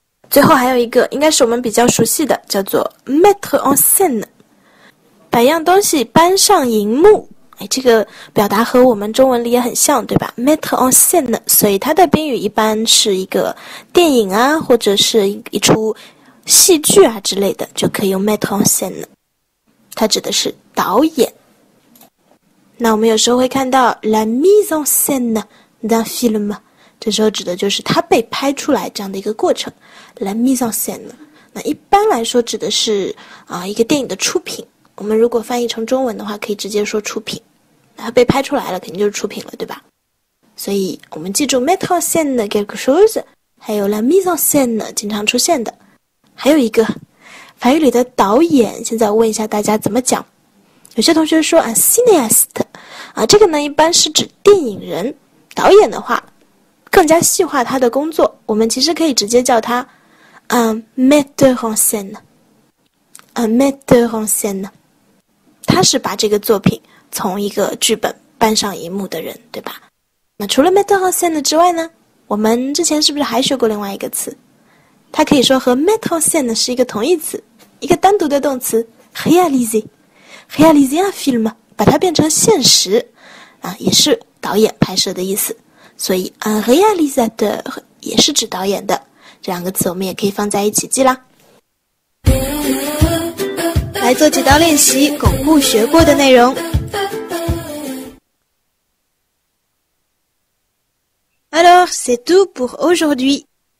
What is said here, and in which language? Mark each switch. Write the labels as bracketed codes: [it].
[zh] 最后还有一个应该是我们比较熟悉的，叫做 [fr] mettre en scène， [zh] 把一样东西搬上荧幕。哎，这个表达和我们中文里也很像，对吧？ [fr] mettre en scène， [zh] 所以它的宾语一般是一个电影啊，或者是一出戏剧啊之类的，就可以用 mettre en scène，它指的是导演。那我们有时候会看到 [fr] la mise en scène d'un film， [zh] 这时候指的就是他被拍出来这样的一个过程。 [fr] La mise en scène。 [zh] 那一般来说指的是一个电影的出品。我们如果翻译成中文的话可以直接说出品。他被拍出来了肯定就是出品了，对吧？所以我们记住 [fr] mettre en scène quelque chose, [zh] 还有 [fr] la mise en scène [zh] 经常出现的。还有一个法语里的导演，现在我问一下大家怎么讲。有些同学说 [fr] un cinéaste, [zh] 这个呢一般是指电影人。导演的话更加细化他的工作，我们其实可以直接叫他 [fr] un metteur en scène, [zh] un metteur en scène, 他是把这个作品从一个剧本搬上荧幕的人，对吧？那除了 [fr] metteur en scène [zh] 之外呢，我们之前是不是还学过另外一个词，它可以说和 metteur en scène 是一个同义词，一个单独的动词 [fr] réaliser un film, [zh] 把它变成现实也是导演拍摄的意思，所以 [fr] un réalisateur [zh] 也是指导演的，这两个词我们也可以放在一起记啦。来做几道练习，巩固学过的内容。 [fr] Alors, c'est tout pour aujourd'hui.